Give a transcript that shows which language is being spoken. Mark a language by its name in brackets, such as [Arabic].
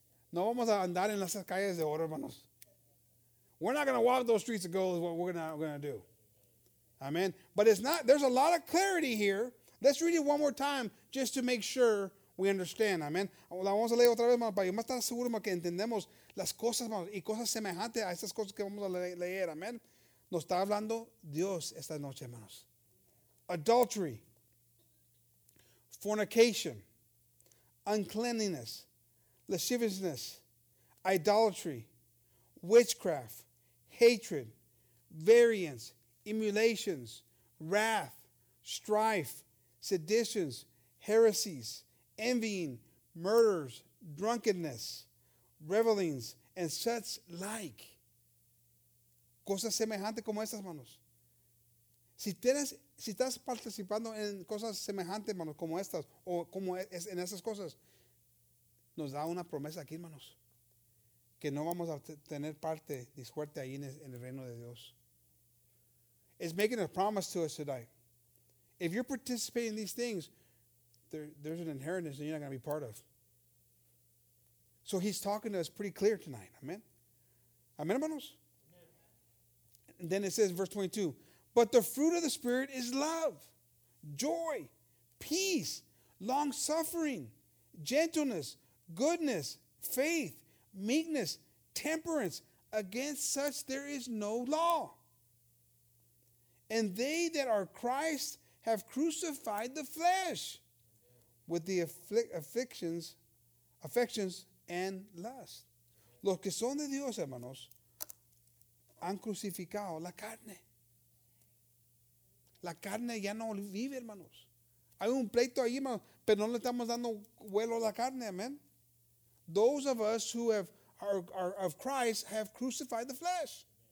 [Spanish] No vamos a andar en las calles de oro, hermanos. [English] We're not going to walk those streets of gold is what we're not going to do. Amen. But it's not, there's a lot of clarity here. Let's read it one more time just to make sure we understand. Amen. [Spanish] La vamos a leer otra vez, hermanos, para yo más estar seguro que entendemos las cosas, hermanos, y cosas semejantes a esas cosas que vamos a leer. Amen. Nos está hablando Dios esta noche, hermanos. [English] Adultery. Fornication. Uncleanliness, lasciviousness, idolatry, witchcraft, hatred, variance, emulations, wrath, strife, seditions, heresies, envying, murders, drunkenness, revelings, and such like. [Spanish] Cosas semejantes como estas, manos. Si estás participando en cosas semejantes, manos, como estas, o como en esas cosas, nos da una promesa aquí, hermanos, que no vamos a tener parte ni suerte ahí en el reino de Dios. [English] It's making a promise to us tonight. If you're participating in these things, there's an inheritance that you're not going to be part of. So So he's talking to us pretty clear tonight. Amen. Amen, hermanos. And then it says in verse 22, but the fruit of the Spirit is love, joy, peace, long-suffering, gentleness, goodness, faith, meekness, temperance. Against such there is no law. And they that are Christ have crucified the flesh with the affections and lust. [Spanish] Los que son de Dios, hermanos, han crucificado la carne. La carne ya no vive, hermanos. Hay un pleito ahí, hermanos, pero no le estamos dando vuelo a la carne, amen. [English] Those of us who are of Christ have crucified the flesh.